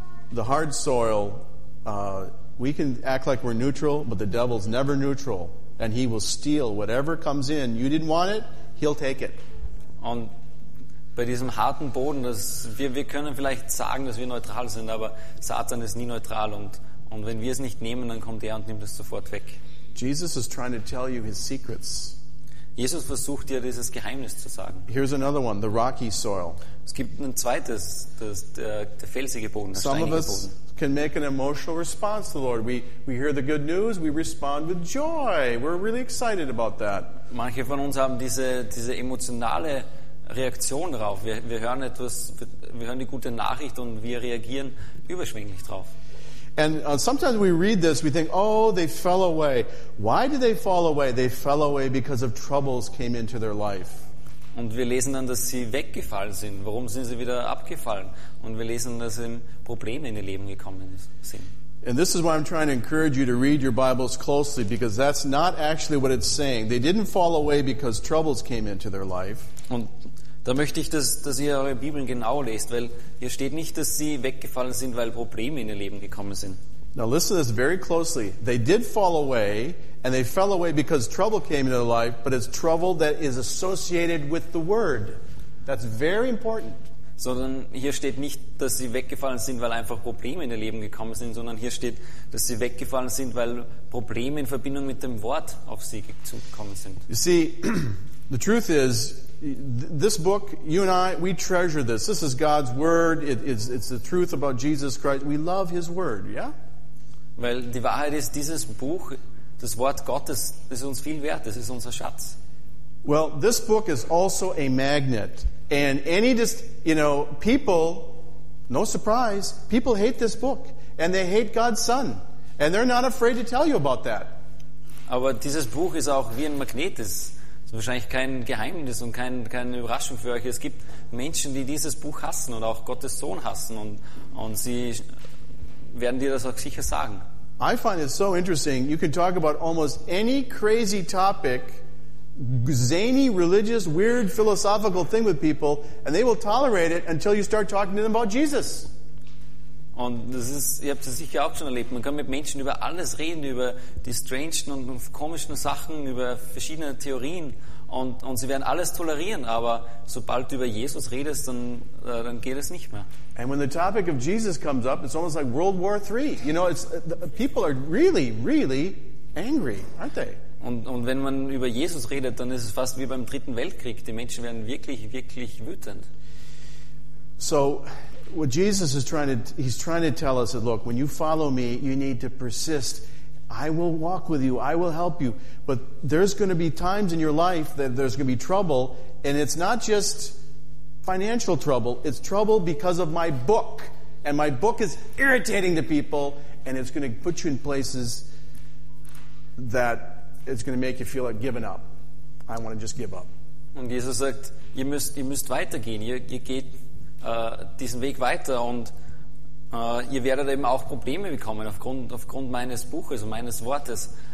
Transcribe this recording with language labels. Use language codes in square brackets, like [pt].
[en] The hard soil, we can act like we're neutral, but the devil's never neutral, and he will steal whatever comes in. You didn't want it, he'll take it. [de] Und bei diesem harten Boden, wir können vielleicht sagen, dass wir neutral sind, aber Satan ist nie neutral, und wenn wir es nicht nehmen, dann kommt er und nimmt es sofort weg. [en] Jesus is trying to tell you his secrets. [de] Jesus versucht dir dieses Geheimnis zu sagen. [en] Here's another one, the rocky soil. [de] Es gibt ein zweites, das der felsige Boden, der steinige Boden. [en] Can make an emotional response to the Lord. We hear the good news, we respond with joy. We're really excited about that. [de] Manche von uns haben diese emotionale Reaktion drauf. Wir hören die gute Nachricht und wir reagieren überschwänglich drauf. [en] And sometimes we read this, we think, oh, they fell away. Why did they fall away? They fell away because of troubles came into their life. [de] Und wir lesen dann, dass sie weggefallen sind. Warum sind sie wieder abgefallen? Und wir lesen, dass sie Probleme in ihr Leben gekommen sind. [en] And this is why I'm trying to encourage you to read your Bibles closely, because that's not actually what it's saying. They didn't fall away because troubles came into their life. [de] Und da möchte ich, dass ihr eure Bibeln genau lest, weil hier steht nicht, dass sie weggefallen sind, weil Probleme in ihr Leben gekommen sind. [en] Now listen to this very closely. They did fall away, and they fell away because trouble came into their life, but it's trouble that is associated with the word. That's very important. [de] Sondern hier steht nicht, dass sie weggefallen sind, weil einfach Probleme in ihr Leben gekommen sind, sondern hier steht, dass sie weggefallen sind, weil Probleme in Verbindung mit dem Wort auf sie gekommen sind. [en] You see, the truth is, this book, you and I, we treasure this. This is God's word. It's the truth about Jesus Christ. We love his word, yeah? [de] Weil die Wahrheit ist, dieses Buch, das Wort Gottes, ist uns viel wert. Das ist unser Schatz. [en] Well, this book is also a magnet. And any, just, you know, people, no surprise, people hate this book. And they hate God's Son. And they're not afraid to tell you about that. [de] Aber dieses Buch ist auch wie ein Magnet. Es ist wahrscheinlich kein Geheimnis und keine Überraschung für euch. Es gibt Menschen, die dieses Buch hassen und auch Gottes Sohn hassen. Und sie werden dir das auch sicher sagen. [en] I find it so interesting. You can talk about almost any crazy topic, zany, religious, weird, philosophical thing with people, and they will tolerate it until you start talking to them about Jesus. [de] Und das ist, ihr habt es sicher auch schon erlebt. Man kann mit Menschen über alles reden, über die strangesten und komischen Sachen, über verschiedene Theorien, und sie werden alles tolerieren. Aber sobald du über Jesus redest, dann geht es nicht mehr. [en] And when the topic of Jesus comes up, it's almost like World War III. You know, people are really, really angry, aren't they? [de] Und wenn man über Jesus redet, dann ist es fast wie beim Dritten Weltkrieg. Die Menschen werden wirklich, wirklich wütend. [en] So, what Jesus is trying to, he's trying to tell us that, look, when you follow me, you need to persist. I will walk with you. I will help you. But there's going to be times in your life that there's going to be trouble. And it's not just financial trouble. It's trouble because of my book. And my book is irritating to people. And it's going to put you in places that it's going to make you feel like giving up. I want to just give up. [de] Und Jesus sagt, ihr müsst weitergehen. Ihr geht diesen Weg weiter, und ihr werdet eben auch Probleme bekommen aufgrund meines Buches und meines Wortes.